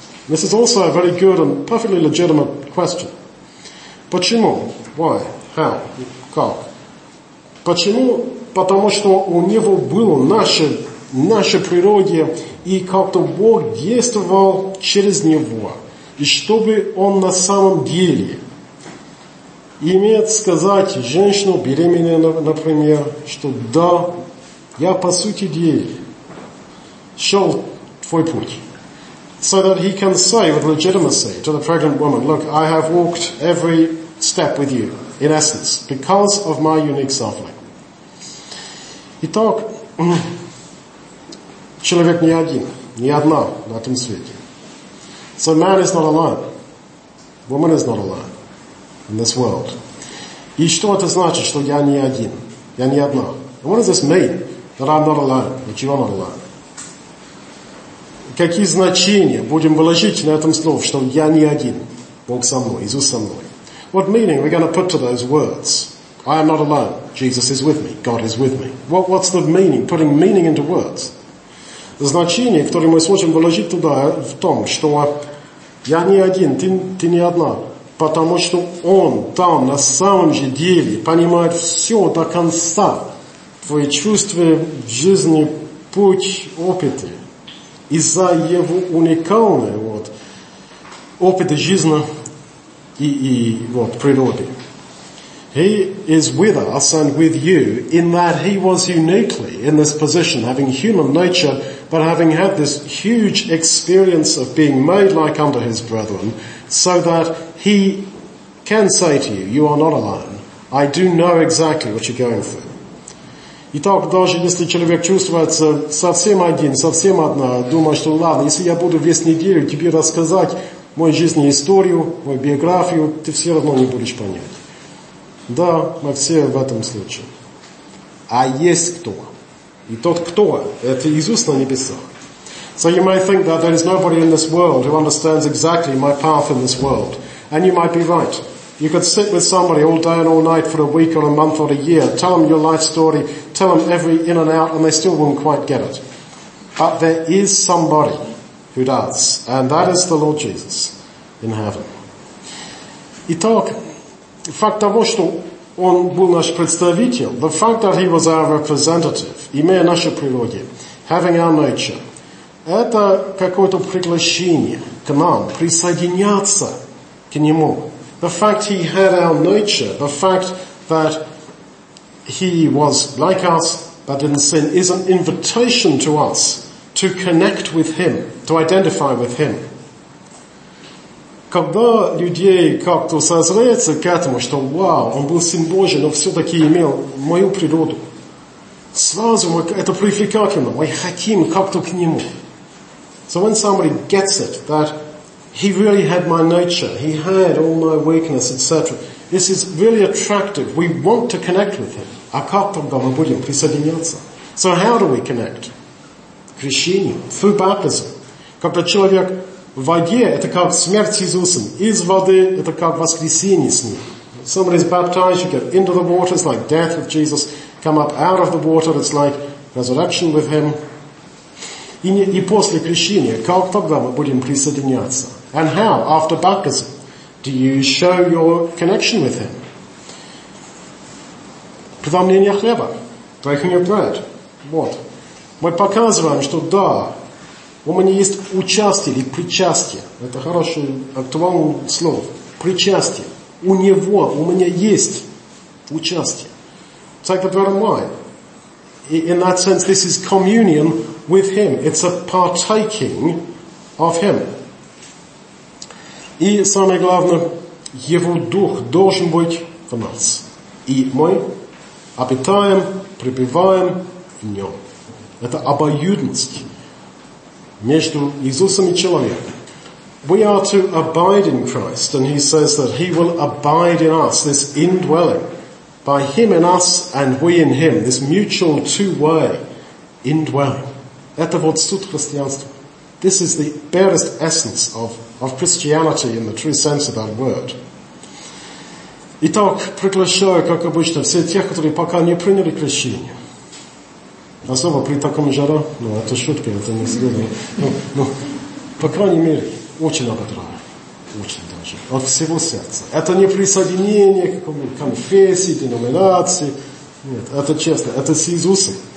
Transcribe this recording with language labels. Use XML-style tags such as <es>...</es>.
<en>This is also a very good and perfectly legitimate question.</en> <ru>Почему?</ru> <en>Why? How?</en> <ru>Как? Почему? Потому что у него было наше природе, и как-то Бог действовал через него. И чтобы он на самом деле имел сказать женщину беременную, например, что да, я по сути дела шел твой путь.</ru> <en>So that he can say with legitimacy to the pregnant woman, look, I have walked every step with you, in essence, because of my unique suffering.</en> <ru>Итак, человек не один, не одна на этом свете.</ru> <en>So man is not alone. Woman is not alone in this world.</en> <ru>И что это значит, что я не один? Я не одна.</ru> <en>And what does this mean? That I'm not alone, that you are not alone.</en> <ru>Какие значения будем вложить на этом слове, что я не один? Бог со мной, Иисус со мной.</ru> <en>What meaning are we going to put to those words? I am not alone. Jesus is with me. God is with me. What's the meaning? Putting meaning into words.</en> <ru>Значение, которое мы сможем вложить туда, в том, что я не один, ты не одна. Потому что он там на самом же деле понимает все до конца. Твои чувства, жизни, путь, опыты. Из-за его уникальной вот, опыта жизни и вот, природы.</ru> <en>He is with us and with you in that he was uniquely in this position, having human nature, but having had this huge experience of being made like unto his brethren, so that he can say to you, you are not alone. I do know exactly what you're going through.</en> <ru>Итак, даже если человек чувствуется совсем один, совсем одна, думает, что ладно, если я буду весь неделю тебе рассказать мою жизненную историю, мою биографию, ты все равно не будешь понять. Да, мы все в этом случае. А есть кто? И тот кто? Это Иисус на небесах.</ru> <en>So you may think that there is nobody in this world who understands exactly my path in this world. And you might be right. You could sit with somebody all day and all night for a week or a month or a year, tell them your life story, tell them every in and out, and they still won't quite get it. But there is somebody who does, and that is the Lord Jesus in heaven.</en> <ru>Итак, факт того, что он был наш представитель,</ru> <en>the fact that he was our representative,</en> <ru>имея нашу природу,</ru> <en>having our nature,</en> <ru>это какое-то приглашение к нам, присоединяться к нему.</ru> <en>The fact he had our nature, the fact that he was like us, but didn't sin, is an invitation to us to connect with him, to identify with him.</en> <ru>Когда людей как-то созреется к этому, что вау, он был Сын Божий, но все-таки имел мою природу. Сразу мы, это привлекательно, мы хотим как-то к нему.</ru> <en>So when somebody gets it, that he really had my nature, he had all my weakness, etc. This is really attractive, we want to connect with him.</en> <ru>А как тогда мы будем присоединяться?</ru> <en>So how do we connect?</en> <ru>Крещение,</ru> <en>through baptism.</en> <ru>Когда человек в воде, это как смерть с Иисусом. Из воды, это как воскресение с ним.</ru> <en>Somebody is baptized, you get into the water, it's like death with Jesus. Come up out of the water, it's like resurrection with him.</en> <ru>И после крещения, как тогда мы будем присоединяться?</ru> <en>And how, after baptism, do you show your connection with him?</en> <ru>Преломление хлеба.</ru> <en>Breaking your bread.</en> <ru>Вот. Мы показываем, что да, у меня есть участие или причастие. Это хорошее, актуальное слово. Причастие. У него, у меня есть участие.</ru> <en>Take the bread and wine. In that sense, this is communion with him. It's a partaking of him.</en> <ru>И самое главное, его дух должен быть в нас. И мы обитаем, пребываем в нем. Это обоюдность между Иисусом и человеком.</ru> <en>We are to abide in Christ, and he says that he will abide in us, this indwelling, by him in us and we in him, this mutual two-way indwelling.</en> <ru>Это вот суть христианства.</ru> <en>This is the barest essence of Christianity in the true sense of that word.</en> <ru>Итак, приглашаю, как обычно, все тех, которые пока не приняли крещение. Особо при таком жару, ну, это шутка, это не серьезно. Ну, по крайней мере, очень ободрая. Очень даже. От всего сердца. Это не присоединение к какому-то конфессии, деноминации. Нет, это честно. Это с Иисусом.</ru>